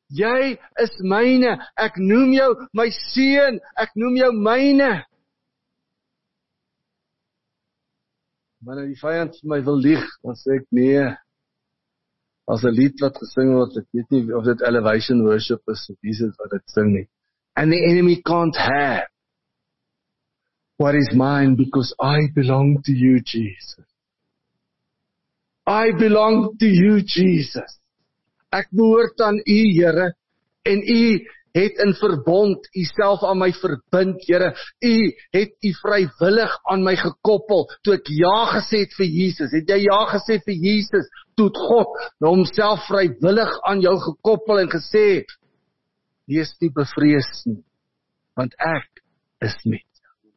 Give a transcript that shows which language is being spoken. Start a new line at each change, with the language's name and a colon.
Afrikaans: Jy is myne. Ek noem jou my seun. Ek noem jou myne. Maar nou die vyand vir my wil lieg, dan sê ek nee. As 'n lied wat gesing word, ek weet nie of dit Elevation Worship is, of wie is wat ek sing nie.
English: And the enemy can't have what is mine because I belong to you, Jesus. I belong to you, Jesus.
Afrikaans: Ek behoort aan u, Here, en u het in verbond u self aan my verbind, Here. U het u vrywillig aan my gekoppel, toe ek ja gesê het vir Jesus. Het jy ja gesê vir Jesus, toe het God nou homself vrywillig aan jou gekoppel en gesê, wees nie bevrees nie, want ek is met jou.